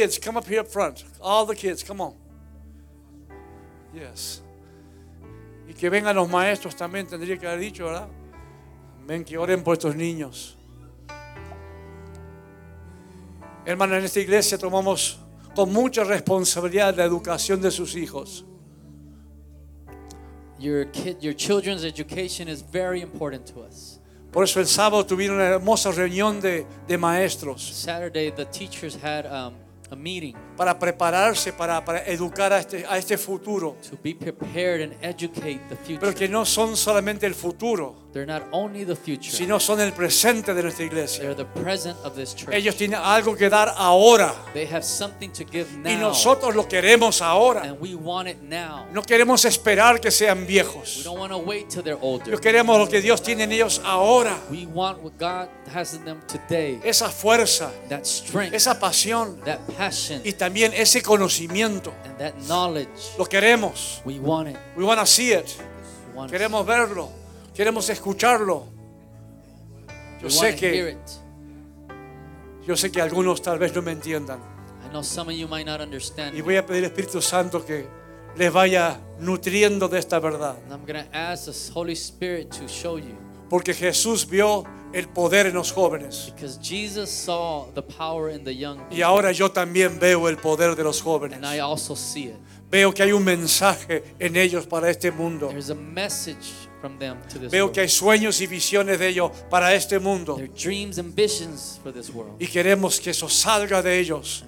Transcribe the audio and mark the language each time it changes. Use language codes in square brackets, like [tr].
[en] Kids, come up here up front. All the kids, come on. Yes. [es] Y que vengan los maestros también, tendría que haber dicho, ¿verdad? Ven que oren por estos niños. Hermano, en esta iglesia tomamos con mucha responsabilidad la educación de sus hijos. [en] Your children's education is very important to us. [es] Por eso el sábado tuvieron una hermosa reunión de maestros. [en] Saturday the teachers had a meeting. [es] Para prepararse para educar a este futuro. [en] To be prepared and educate the future. [es] Pero que no son solamente el futuro. [en] They're not only the future. [es] Sino son el presente de nuestra iglesia. [en] They're the present of this church. [es] Ellos tienen algo que dar ahora. [en] They have something to give now. [es] Y nosotros lo queremos ahora. [en] And we want it now. [es] No queremos esperar que sean viejos. [en] We don't want to wait till they're older. [es] Yo queremos lo que Dios tiene en ellos ahora. [en] We want what God has in them today. [es] Esa fuerza. [en] That strength. [es] Esa pasión. [en] That passion. [es] Y también ese conocimiento. [en] And that knowledge. [es] Lo queremos. [en] We want it. We want to see it. [es] Queremos verlo. Queremos escucharlo. Yo sé que algunos tal vez no me entiendan. [en] I know some of you might not understand. [es] Y voy a pedir al Espíritu Santo que les vaya nutriendo de esta verdad. [en] And I'm going to ask the Holy Spirit to show you. [es] Porque Jesús vio el poder en los jóvenes. [en] Because Jesus saw the power in the young people. [es] Y ahora yo también veo el poder de los jóvenes. [en] And I also see it. [es] Veo que hay un mensaje en ellos para este mundo. [en] There's a message from them to this [es] Veo [en] world. [es] Que hay sueños y visiones de ellos para este mundo. [en] Their dreams, ambitions for this world. [es] Y queremos que eso salga de ellos